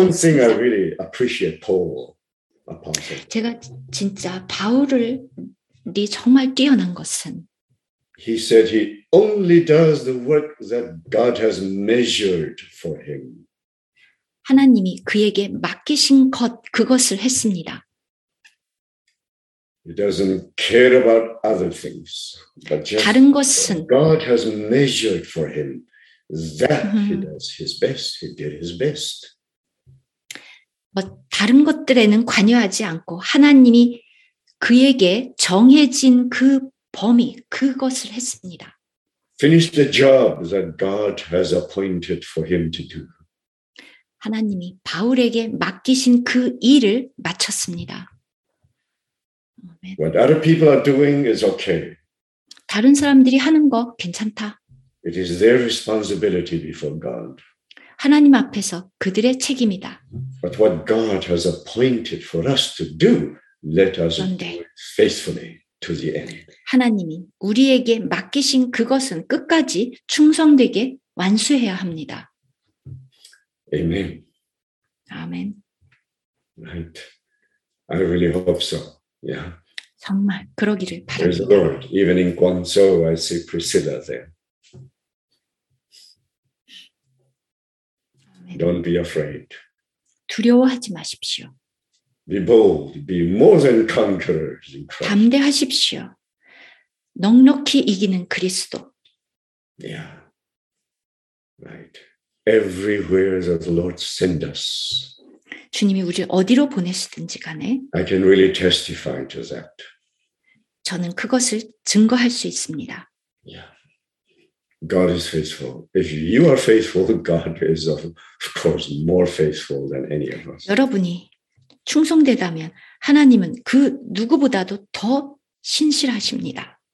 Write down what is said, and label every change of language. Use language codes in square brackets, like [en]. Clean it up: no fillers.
[en] One thing I really appreciate Paul, apostle. [ko] 제가 진짜 바울이 정말 뛰어난 것은 [en] He said he only does the work that God has measured for him. [ko] 하나님이 그에게 맡기신 것 그것을 했습니다. [en] He doesn't care about other things. But just [ko] 다른 것은 [en] God has measured for him. That he does his best, he did his best. [ko] 뭐 다른 것들에는 관여하지 않고 하나님이 그에게 정해진 그 범위 그것을 했습니다. [en] Finish the job that God has appointed for him to do. [ko] 하나님이 바울에게 맡기신 그 일을 마쳤습니다. [en] What other people are doing is okay. [ko] 다른 사람들이 하는 거 괜찮다. [en] It is their responsibility before God. [ko] 하나님 앞에서 그들의 책임이다. [en] But what God has appointed for us to do, let us do faithfully to the end. [ko] 하나님이 우리에게 맡기신 그것은 끝까지 충성되게 완수해야 합니다. [en] Amen. Amen. Right. I really hope so. Yeah. [ko] 정말 그러기를 바랍니다. [en] There's the Lord. Even in Guangzhou, I see Priscilla there. Don't be afraid. [ko] 두려워하지 마십시오. [en] Be bold. Be more than conquerors in Christ. [ko] 담대하십시오. 넉넉히 이기는 그리스도. [en] Yeah. Right. Everywhere that the Lord send us. [ko] 주님이 우리를 어디로 보내시든지 간에. [en] I can really testify to that. [ko] 저는 그것을 증거할 수 있습니다. [en] Yeah. God is faithful. If you are faithful, God is of course more faithful than any of us. [ko] 여러분이 충성되다면 하나님은 그 누구보다도 더 신실하십니다.